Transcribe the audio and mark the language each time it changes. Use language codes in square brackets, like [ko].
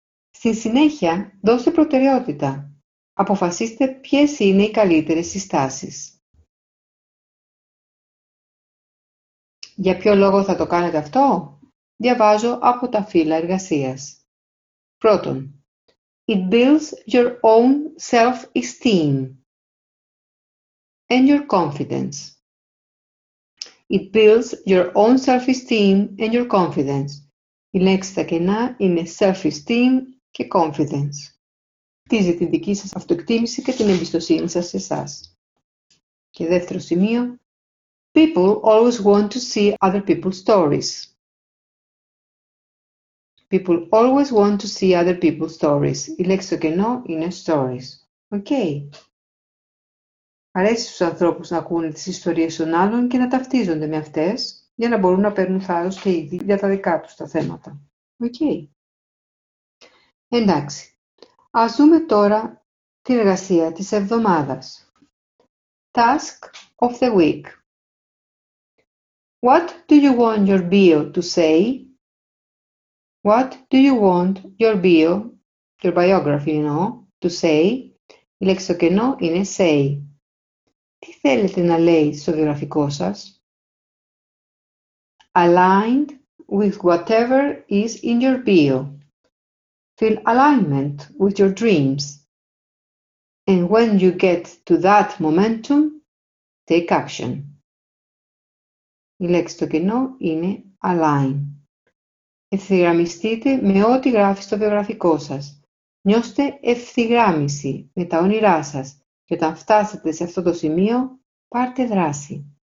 [el] Στη συνέχεια, δώστε προτεραιότητα. Αποφασίστε ποιες είναι οι καλύτερες συστάσεις. Για ποιο λόγο θα το κάνετε αυτό? Διαβάζω από τα φύλλα εργασίας. Πρώτον, [en] it builds your own self-esteem and your confidence. It builds your own self-esteem and your confidence. [el] Η λέξη τα κενά είναι self-esteem και confidence. Χτίζει την δική σας αυτοεκτίμηση και την εμπιστοσύνη σας σε εσάς. Και δεύτερο σημείο. [en] People always want to see other people's stories. People always want to see other people's stories. [el] Η λέξη το κενό είναι stories. Οκ. Αρέσει στους ανθρώπους να ακούνε τις ιστορίες των άλλων και να ταυτίζονται με αυτές για να μπορούν να παίρνουν θάρρος και ήδη για τα δικά τους τα θέματα. Οκ. Εντάξει. Ας δούμε τώρα την εργασία της εβδομάδας. [en] Task of the week. What do you want your bio to say? What do you want your bio, your biography, you know, to say? [el] Η λέξη το κενό είναι say. Τι θέλετε να λέει στο βιογραφικό σας? [en] Aligned with whatever is in your bio. Feel alignment with your dreams. And when you get to that momentum, take action. [el] Η λέξη το κενό είναι align. Ευθυγραμμιστείτε με ό,τι γράφει στο βιογραφικό σας. Νιώστε ευθυγράμμιση με τα όνειρά σας. Και όταν φτάσετε σε αυτό το σημείο, πάρτε δράση.